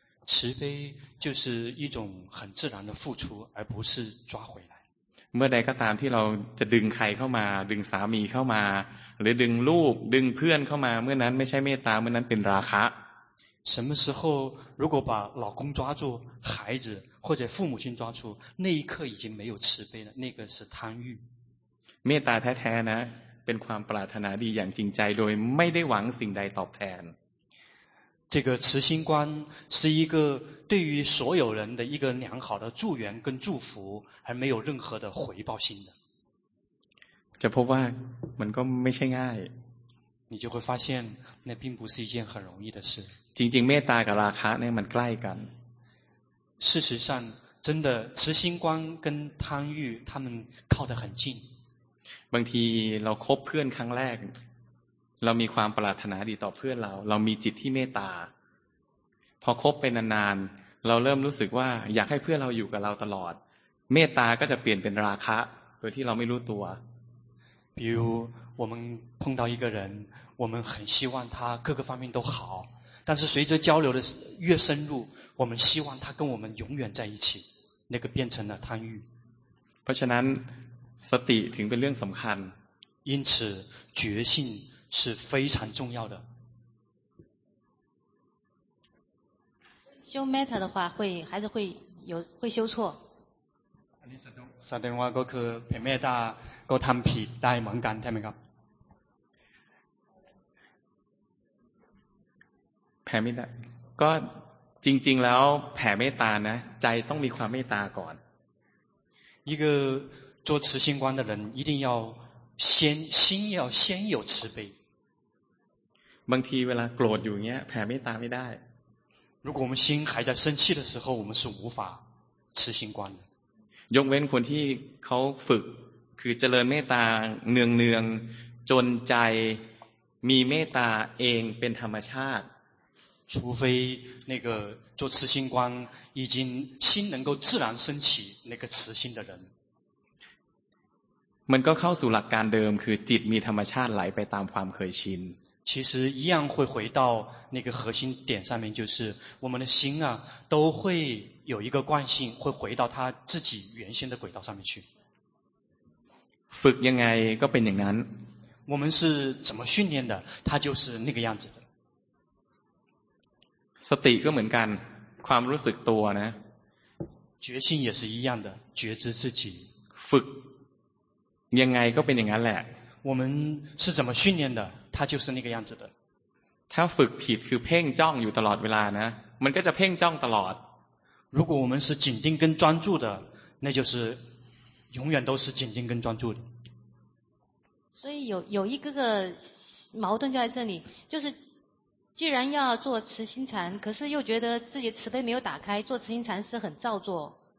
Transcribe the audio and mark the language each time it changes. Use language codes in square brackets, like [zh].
[zh] 慈悲就是一种很自然的付出而不是抓回来 [th] เมื่อใดก็ตามที่เราจะดึงใครเข้ามาดึงสามีเข้ามาหรือดึงลูกดึงเพื่อนเข้ามาเมื่อนั้นไม่ใช่เมตตาเมื่อนั้นเป็นราคะ [zh] 什么时候如果把老公抓住孩子或者父母亲抓住那一刻已经没有慈悲了那个是贪欲 [th] เมตตาแท้ๆนะเป็นความปรารถนาดีอย่างจริงใจโดยไม่ได้หวังสิ่งใดตอบแทน [zh] 这个慈心观是一个对于所有人的一个良好的助缘跟祝福还没有任何的回报心的 [th] จะพบว่ามันก็ไม่ใช่ง่าย [zh] 你就会发现那并不是一件很容易的事 [th] จริงๆเมตตากับราคะเนี่ยมันใกล้กัน [zh] 事实上真的慈心观跟贪欲他们靠得很近 [th] บางทีเราคบเพื่อนครั้งแรกเรามีความปรารถนาดีต่อเพื่อนเรามีจิตที่เมตตาพอคบไปนานๆเราเริ่มรู้สึกว่าอยากให้เพื่อนเราอยู่กับเราตลอดเมตตาก็จะเปลี่ยนเป็นราคะโดยที่เราไม่รู้ตัว [zh] 比如我们碰到一个人我们很希望他各个方面都好但是随着交流的越深入我们希望他跟我们永远在一起那个变成了贪欲 [th] เพราะฉะนั้นสติถึงเป็นเรื่องสำคัญ [zh] 因此觉性是非常重要的修 Metta 的话会还是会有会修错 [th] สะดงว่าก็คือเพเมตตาก็ทำผิดได้เหมือนกันใช่ไหมครับ แผ่เมตตาก็จริงๆแล้วแผ่เมตตานะใจต้องมีความเมตตาก่อน [zh] 一个做慈心观的人一定要先心要先有慈悲 [th] บางทีเวลาโกรธอยู่เงี้ยแผ่เมตตาไม่ได้ [zh] 如果我们心还在生气的时候我们是无法慈心观的 [th] ยกเว้นคนที่เขาฝึกคือเจริญเมตตาเนืองๆจนใจมีเมตตาเองเป็นธรรมชาติ [zh] 除非那个做慈心观已经心能够自然升起那个慈心的人 [th] มันก็เข้าสู่หลักการเดิมคือจิตมีธรรมชาติไหลไปตามความเคยชิน [zh] 其实一样会回到那个核心点上面就是我们的心啊都会有一个惯性会回到它自己原先的轨道上面去 [th] ฝึกยังไงก็เป็นอย่างนั้น [zh] 我们是怎么训练的它就是那个样子的 [th] สติก็เหมือนกันความรู้สึกตัวนะ [zh] 觉性也是一样的觉知自己 [th] ฝึกยังไงก็เป็นอย่างนั้นแหละ [zh] 我们是怎么训练的它就是那个样子的 [th] ถ้าฝึกผิดคือเพ่งจ้องอยู่ตลอดเวลานะมันก็จะเพ่งจ้องตลอด [zh] 如果我们是紧盯跟专注的那就是永远都是紧盯跟专注的所以有一个矛盾就在这里就是既然要做慈心禅可是又觉得自己慈悲没有打开做慈心禅是很造作